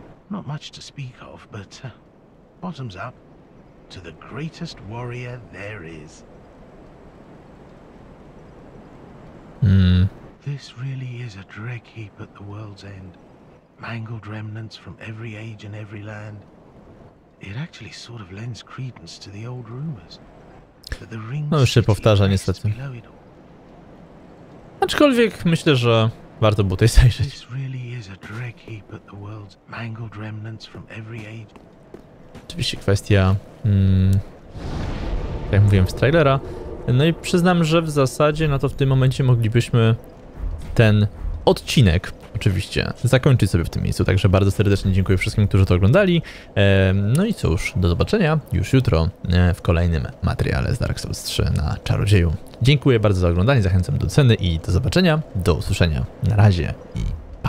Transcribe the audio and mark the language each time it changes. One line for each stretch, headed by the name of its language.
English: Not much to speak of, but bottoms up to the greatest warrior there is. This really is a dreg heap at the world's end. Mangled remnants from every age and every land. It actually sort of lends credence to the old rumors. But the rings.
Polish: No już się powtarza niestety. Aczkolwiek myślę, że warto było tutaj zajrzeć.
English: This really is a dreg heap at the world's mangled remnants from every age.
Polish: Oczywiście kwestia, jak mówiłem, z trailera. No i przyznam, że w zasadzie no to w tym momencie moglibyśmy ten odcinek oczywiście zakończyć sobie w tym miejscu. Także bardzo serdecznie dziękuję wszystkim, którzy to oglądali. No i cóż, do zobaczenia już jutro w kolejnym materiale z Dark Souls 3 na czarodzieju. Dziękuję bardzo za oglądanie, zachęcam do oceny i do zobaczenia, do usłyszenia. Na razie i cześć.